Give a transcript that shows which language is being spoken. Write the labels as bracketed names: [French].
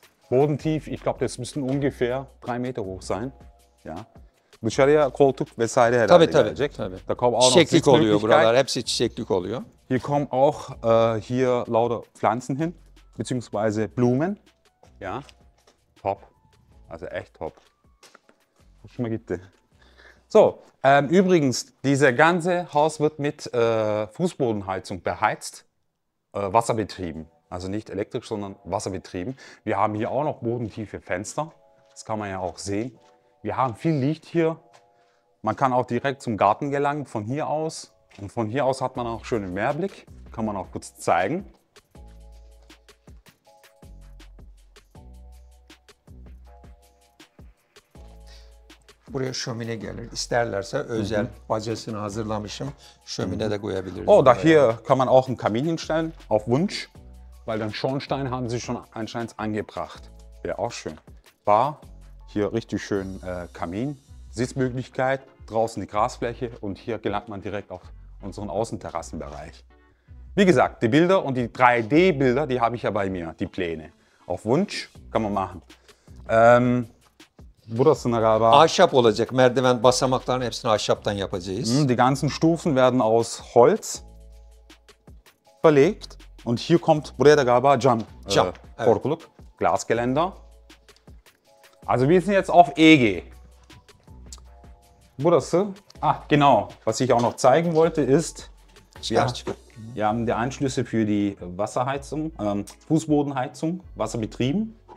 [German] Bodentief, ich glaube, das müssten ungefähr 3 Meter hoch sein. [Turkish] Ja. Dışarıya koltuk vesaire herhalde tabii, tabii, gelecek. Tabii. [German] Da kommt auch [Turkish] çiçeklik oluyor buralar, hepsi çiçeklik oluyor. [German] Hier kommen auch hier lauter Pflanzen hin, beziehungsweise Blumen. Ja. Top. Also echt top. Schon mal gitti. So, übrigens, dieses ganze Haus wird mit Fußbodenheizung beheizt. Wasserbetrieben. Also nicht elektrisch, sondern wasserbetrieben. Wir haben hier auch noch bodentiefe Fenster. Das kann man ja auch sehen. Wir haben viel Licht hier. Man kann auch direkt zum Garten gelangen, von hier aus. Und von hier aus hat man auch schönen Meerblick. Kann man auch kurz zeigen. [Turkish] Buraya şömine gelir. İsterlerse özel bacasını hazırlamışım. Şömine de koyabiliriz. [German] Oh, da hier kann man auch einen Kamin hinstellen, auf Wunsch. Weil den Schornstein haben sie schon anscheinend angebracht. Wäre auch schön. Bar. Hier richtig schön Kamin, Sitzmöglichkeit, draußen die Grasfläche und hier gelangt man direkt auf unseren Außenterrassenbereich. Wie gesagt, die Bilder und die 3D-Bilder, die habe ich ja bei mir, die Pläne. Auf Wunsch kann man machen. [Turkish] Burası ne galiba? Ahşap olacak, merdiven basamakların hepsini ahşaptan yapacağız. [German] Die ganzen Stufen werden aus Holz verlegt und hier kommt, [Turkish] buraya da galiba cam, korkuluk, evet. [German] Glasgeländer. Also wir sind jetzt auf EG. Burası. Ah, genau. Was ich auch noch zeigen wollte, ist, wir haben die Anschlüsse für die Wasserheizung, Fußbodenheizung, wasserbetrieben.